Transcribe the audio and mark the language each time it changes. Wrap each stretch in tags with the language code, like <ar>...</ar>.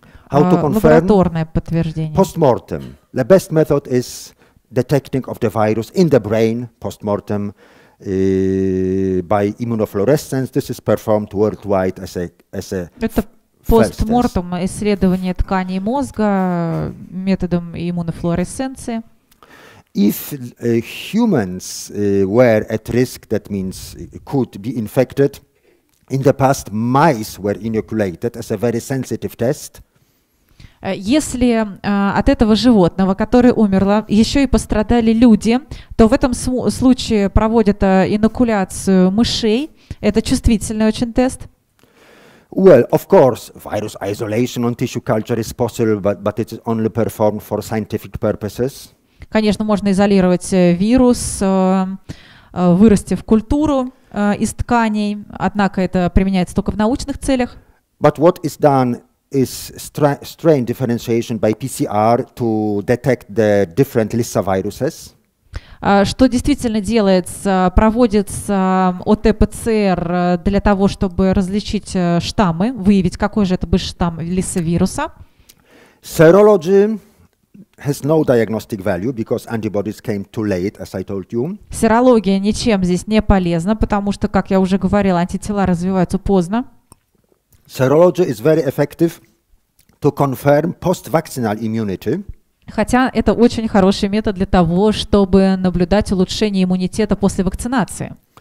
<en>How to confirm?</en> <ru>Лабораторное подтверждение.</ru> <en>Postmortem. The best method is detecting of the virus in the brain postmortem by immunofluorescence. This is performed worldwide as a</en> <ru>Это постмортем исследование тканей мозга методом иммунофлуоресценции.</ru> <en>If humans were at risk, that means could be infected. In the past, mice were inoculated as a very sensitive test.</en> <ru>Если от этого животного, которое умерло, еще и пострадали люди, то в этом случае проводят инокуляцию мышей. Это чувствительный очень тест.</ru> <en>Well, of course, virus isolation on tissue culture is possible, but it is only performed for scientific purposes.</en> <ru>Конечно, можно изолировать вирус, вырастив культуру из тканей, однако это применяется только в научных целях.</ru> <en>But what is done is strain differentiation by PCR to detect the different Lyssa viruses.</en> <ru>Что действительно делается, проводится ОТ-ПЦР для того, чтобы различить штаммы, выявить, какой же это был штамм лисовируса.</ru> <en>Serology has no diagnostic value because antibodies came too late, as I told you.</en> <ru>Серология ничем здесь не полезна, потому что, как я уже говорил, антитела развиваются поздно.</ru> <en>Serology is very effective to confirm post-vaccinal immunity.</en> <ru>Хотя это очень хороший метод для того, чтобы наблюдать улучшение иммунитета после вакцинации.</ru>